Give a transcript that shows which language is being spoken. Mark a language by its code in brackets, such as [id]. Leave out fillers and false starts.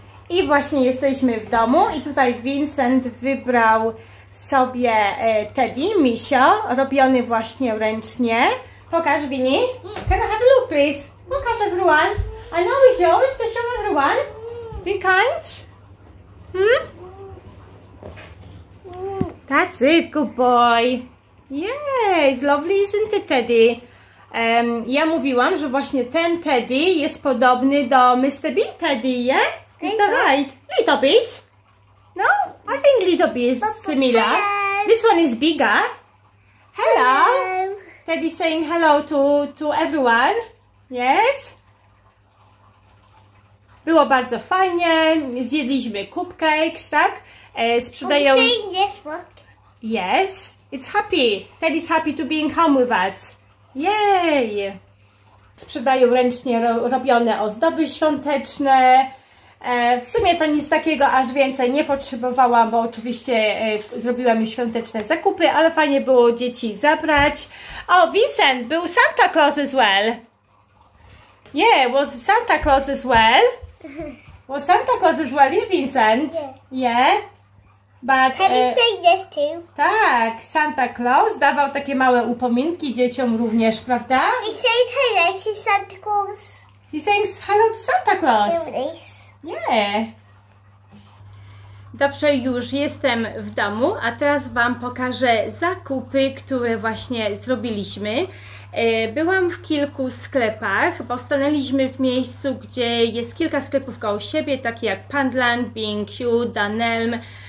[pl] I właśnie jesteśmy w domu i tutaj Vincent wybrał sobie teddy, misio, robiony właśnie ręcznie. Pokaż, [en] Vinny. Can I have a look, please? [pl] Pokaż, [en] everyone. I know it's yours, to show everyone. Be kind. That's it, good boy. Yes, lovely, isn't it, Teddy? [pl] Ja mówiłam, że właśnie ten Teddy jest podobny do Mr. [en] Bean Teddy, yeah? Is that right? Little bit. No? I think little bit is similar. This one is bigger. Hello. Teddy saying hello to everyone. Yes? [pl] Było bardzo fajnie, zjedliśmy cupcakes, tak? Sprzedają... [en] I'm saying yes, look. Yes, it's happy. Teddy's happy to be in home with us. Yay! [pl] Sprzedają ręcznie robione ozdoby świąteczne. W sumie to nic takiego, aż więcej nie potrzebowałam, bo oczywiście zrobiłam już świąteczne zakupy, ale fajnie było dzieci zabrać. O, Vincent, był Santa Claus [en] as well. Yeah, was Santa Claus as well. Well, Santa Claus as well, Vincent. Yeah. But can you say yes too? [pl] Tak, Santa Claus dawał takie małe upominki dzieciom również, prawda? [en] He says hello to Santa Claus. He says hello to Santa Claus. Yes. Yeah. [pl] Dobrze, już jestem w domu, a teraz Wam pokażę zakupy, które właśnie zrobiliśmy. Byłam w kilku sklepach, bo stanęliśmy w miejscu, gdzie jest kilka sklepów koło siebie, takie jak Pandland, B&Q, Dunelm.